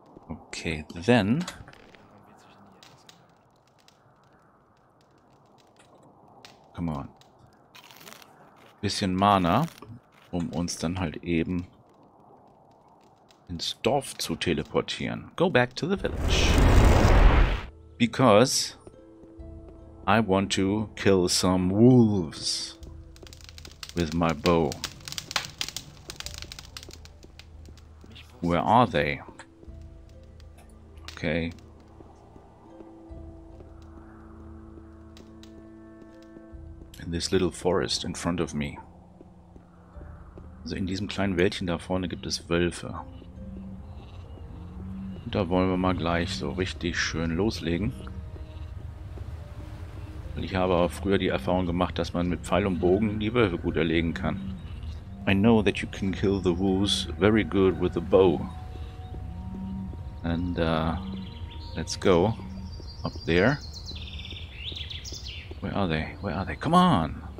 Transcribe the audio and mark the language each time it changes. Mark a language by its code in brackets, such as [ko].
[en] Okay, then... Come on. [de] Bisschen Mana, um uns dann halt eben ins Dorf zu teleportieren. [en] Go back to the village. Because I want to kill some wolves with my bow. Where are they? Okay. In this little forest in front of me. [de] Also in diesem kleinen Wäldchen da vorne gibt es Wölfe. Und da wollen wir mal gleich so richtig schön loslegen. Weil ich habe auch früher die Erfahrung gemacht, dass man mit Pfeil und Bogen die Wölfe gut erlegen kann. [en] I know that you can kill the wolves very good with a bow. And let's go up there. Where are they? Where are they? Come on!